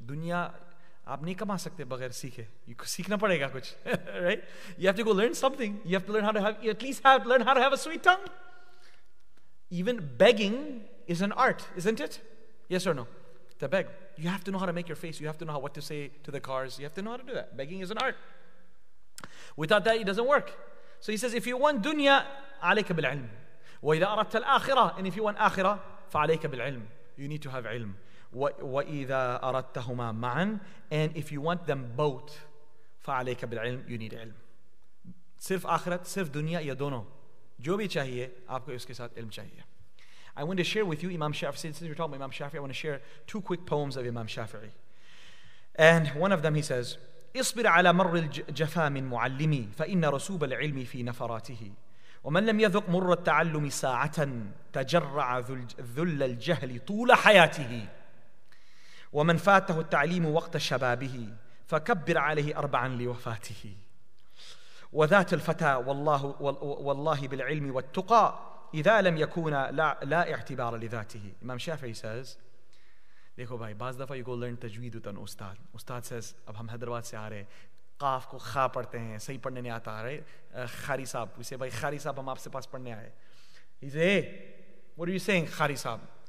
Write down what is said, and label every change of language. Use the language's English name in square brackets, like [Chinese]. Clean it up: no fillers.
[Urdu] دنیا، آپ نہیں کما سکتے بغیر سیکھے۔ You سیکھنا پڑے گا کچھ۔ [English] Right? You have to go learn something. You have to learn how to have, you at least have to learn how to have a sweet tongue. Even begging is an art, isn't it? Yes or no? To beg, you have to know how to make your face, you have to know how, what to say to the cars, you have to know how to do that. Begging is an art. Without that, it doesn't work. So he says, if you want dunya, [Arabic] alayka bil ilm. Wa idha aradta al akhirah, [English] and if you want akhirah, [Arabic] fa alayka bil ilm. [English] You need to have ilm. [Arabic] Wa idha aradtahuma ma'an, [English] and if you want them both, [Arabic] fa alayka bil ilm. [English] You need ilm. [Urdu] صرف آخرت، صرف دنیا، یا دونوں۔ جو بھی چاہیے، آپ کو اس کے ساتھ علم چاہیے۔ [English] I want to share with you Imam Shafi'i. Since you're talking about Imam Shafi'i, I want to share two quick poems of Imam Shafi'i. And one of them, he says, [Arabic] اصبر على مر الجفا من معلمي فإن رسوب العلم في نفراته ومن لم يذق مر التعلم ساعة تجرع ذل الجهل طول حياته ومن فاته التعليم وقت شبابه فكبر عليه أربعا لوفاته وذات الفتى والله, والله بالعلم والتقى إِذَا لَمْ يَكُونَ لَا اِعْتِبَارَ لِذَاتِهِ. [English] Imam Shafi'i says, [Urdu] دیکھو بھائی, بعض دفعہ [English] you go learn تجوید with an استاد. [Urdu] استاد says, اب ہم حیدرآباد سے آ رہے, قاف کو خا پڑھتے ہیں, صحیح پڑھنے نہیں آتا, آ رہے خاری صاحب. [English] We say, [Urdu] بھائی خاری صاحب, ہم آپ سے پاس پڑھنے آئے. [English] He says, hey, what are you saying, خاری صاحب?